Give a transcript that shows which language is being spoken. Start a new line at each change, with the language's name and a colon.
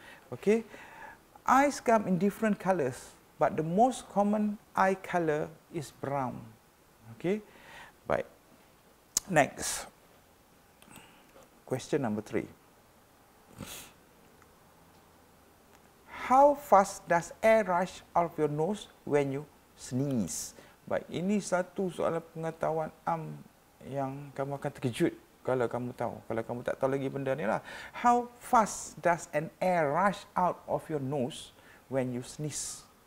English: Okay, eyes come in different colours, but the most common eye colour is brown. Okay,
Malay: baik.
English: Next. Question number 3. How fast does air rush out of your nose when you sneeze?
Malay: Baik, ini satu soalan pengetahuan am yang kamu akan terkejut kalau kamu tahu. Kalau kamu tak tahu lagi benda ni lah.
English: How fast does an air rush out of your nose when you sneeze?